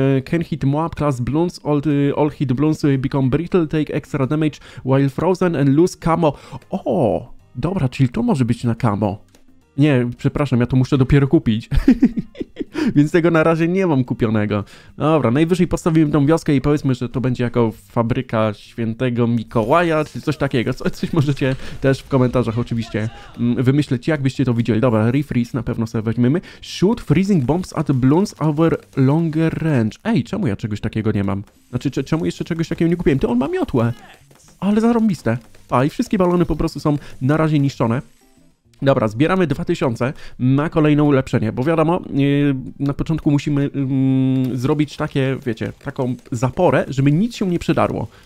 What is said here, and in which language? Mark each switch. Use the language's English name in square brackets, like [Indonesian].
[English] Can hit mob class blunts, all hit blunts become brittle, take extra damage while frozen and lose camo. [Polish] O, dobra, czyli to może być na camo. Nie, przepraszam, ja to muszę dopiero kupić. Więc tego na razie nie mam kupionego. Dobra, najwyżej postawimy tą wioskę i powiedzmy, że to będzie jako fabryka świętego Mikołaja, czy coś takiego. Coś możecie też w komentarzach oczywiście wymyśleć, jak byście to widzieli. Dobra, refreeze na pewno sobie weźmiemy. [English] Shoot freezing bombs at blunts over longer range. [Polish] Ej, czemu ja czegoś takiego nie mam? Znaczy, czemu jeszcze czegoś takiego nie kupiłem? To on ma miotłę. Ale zarąbiste. A, i wszystkie balony po prostu są na razie niszczone. Dobra, zbieramy 2000 na kolejne ulepszenie, bo wiadomo, na początku musimy zrobić takie, wiecie, taką zaporę, żeby nic się nie przydarło.